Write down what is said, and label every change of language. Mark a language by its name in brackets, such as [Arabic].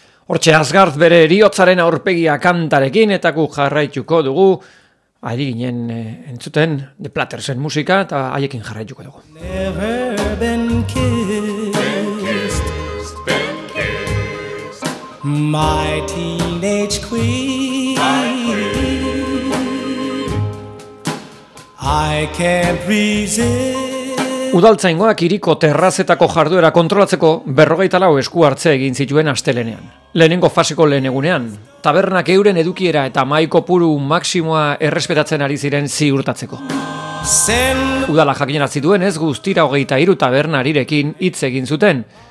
[Basque] Hortxe Asgard bere eriotzaren aurpegia kantarekin eta gu jarraituko dugu ari ginen entzuten The Platersen musika eta haiekin jarraituko dugu. [English] Never been kissed, my teenage queen, I can't resist. [Basque] Udaltzaingoak hiriko terrazetako jarduera kontrolatzeko 44 esku hartze egin zituen astelenean. Lehenengo faseko lehen egunean, tabernak euren edukiera eta maiko puru maksimoa errespetatzen ari ziren ziurtatzeko. Udala jakinarazi duenez, guztira 23 tabernarirekin hitz egin zuten.